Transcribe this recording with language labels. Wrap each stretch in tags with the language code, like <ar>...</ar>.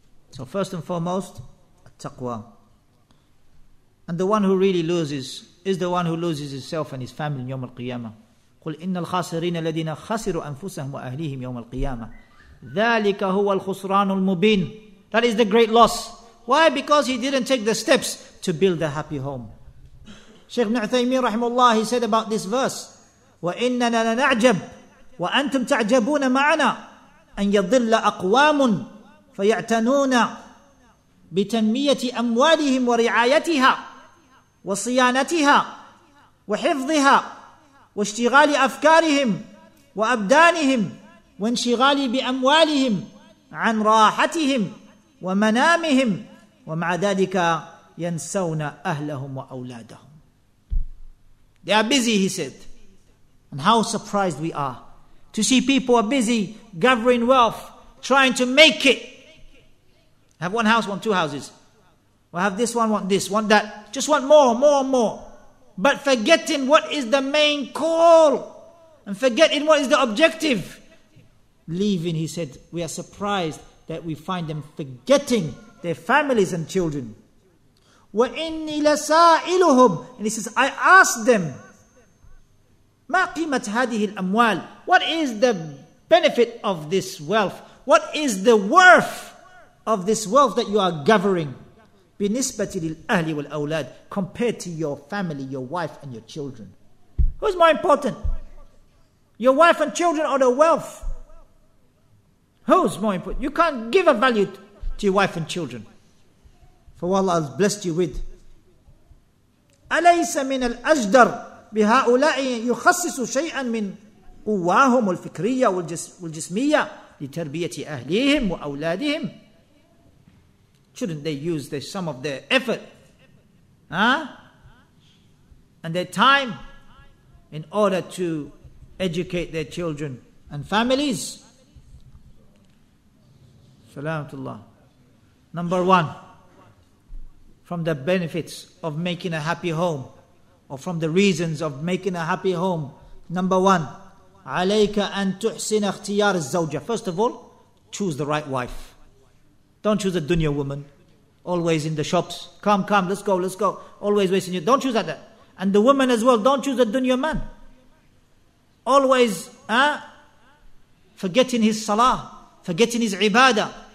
<en>So first and foremost, taqwa. And the one who really loses is the one who loses himself and his family in Yawm al-Qiyamah.</en> <ar>قُلْ إِنَّ الْخَاسِرِينَ الَّذِينَ خَسِرُوا أَنفُسَهُمْ وَأَهْلِهِمْ يَوْمَ الْقِيَامَةِ ذَلِكَ هُوَ الْخُسْرَانُ الْمُبِينُ.</ar> <en>That is the great loss. Why? Because he didn't take the steps to build a happy home. Shaykh ibn Uthaymeen rahimahullah, he said about this verse,</en> <ar>وَإِنَّنَا لَنَعْجَبْ وَأَنْتُمْ تَعْجَبُونَ مَعَنَا أَنْ يَضِلَّ أَقْوَامٌ فَيَعْتَنُونَ بِتَنْمِيَةِ أَمْوَالِهِمْ وَرِعَايَتِهَا وَصِيَانَتِهَا وَحِفْظِهَا وَاشْتِغَالِ أَفْكَارِهِمْ وأبدانهم وانشغال بأموالهم عن راحتهم ومنامهم ومع ذلك ينسون أهلهم وأولادهم.</ar> <en>They are busy, he said. And how surprised we are to see people are busy gathering wealth, trying to make it. Have one house, want two houses. Or have this, want that. Just want more. But forgetting what is the main call. And forgetting what is the objective. Leaving, he said, we are surprised that we find them forgetting their families and children.</en> <ar>وَإِنِّي لَسَائِلُهُمْ</ar> <en>And he says, I asked them,</en> <ar>مَا قِيمَةَ هَذِهِ الْأَمْوَالِ</ar> <en>What is the benefit of this wealth? What is the worth of this wealth that you are gathering?</en> <ar>بِنِسْبَةِ لِلْأَهْلِ وَالْأَوْلَادِ</ar> <en>Compared to your family, your wife and your children. Who's more important? Your wife and children or the wealth? Who's more important? You can't give a value to your wife and children. For what Allah has blessed you with.</en> <ar>أَلَيْسَ مِنَ الْأَجْدَرِ بِهَٰؤُلَاءِ يُخَصِّصُ شَيْئًا مِنْ قُوَّاهُمُ الْفِكْرِيَّةُ وَالْجِسْمِيَّةِ لِتَرْبِيَةِ أَهْلِهِمْ وَأَوْلَادِهِمْ</ar> <en>Shouldn't they use their, some of their effort? Huh? And their time in order to educate their children and families? Salamatullah. Number one. From the benefits of making a happy home, or from the reasons of making a happy home. Number one,</en> <ar>عليك أن تحسن اختيار الزوجة.</ar> <en>First of all, choose the right wife. Don't choose a dunya woman, always in the shops. Come, let's go. Always wasting you. Don't choose that. And the woman as well, don't choose a dunya man. Always forgetting his salah, forgetting his ibadah.</en>